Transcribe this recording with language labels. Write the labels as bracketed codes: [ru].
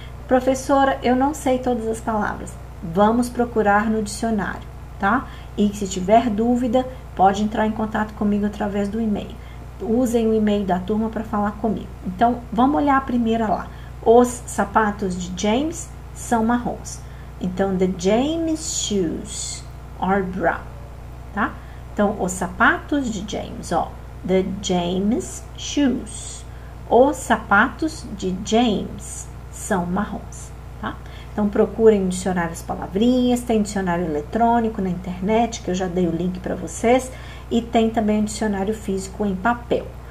[pt] Professora, eu não sei todas as palavras. Vamos procurar no dicionário. Tá? E se tiver dúvida, pode entrar em contato comigo através do e-mail. Usem o e-mail da turma para falar comigo. Então, vamos olhar a primeira lá. Os sapatos de James são marrons. Então, [en] the James shoes are brown. [pt] Tá? Então, os sapatos de James, ó. [en] The James shoes. [pt] Os sapatos de James são marrons. Então, procurem dicionário as palavrinhas, tem dicionário eletrônico na internet, que eu já dei o link para vocês, e tem também um dicionário físico em papel.